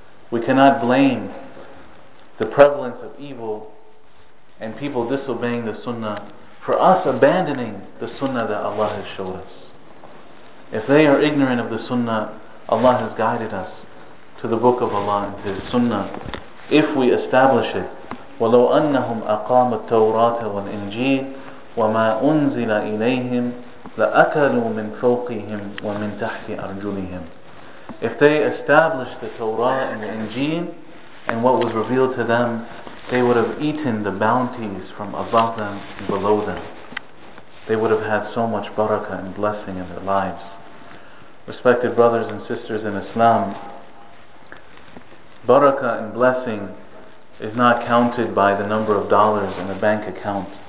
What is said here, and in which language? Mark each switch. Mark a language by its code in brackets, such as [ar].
[en] We cannot blame the prevalence of evil and people disobeying the sunnah for us abandoning the sunnah that Allah has showed us. If they are ignorant of the sunnah, Allah has guided us to the book of Allah and His sunnah. If we establish it, [ar] وَلَوْ أَنَّهُمْ أَقَامُوا التَّوْرَاةَ وَالْإِنْجِيلَ وَمَا أُنْزِلَ إِلَيْهِمْ لَأَكَلُوا مِنْ فَوْقِهِمْ وَمِنْ تَحْتِ أَرْجُلِهِمْ. [en] If they established the Torah and the Injil and what was revealed to them, they would have eaten the bounties from above them and below them. They would have had so much barakah and blessing in their lives. Respected brothers and sisters in Islam, barakah and blessing is not counted by the number of dollars in a bank account.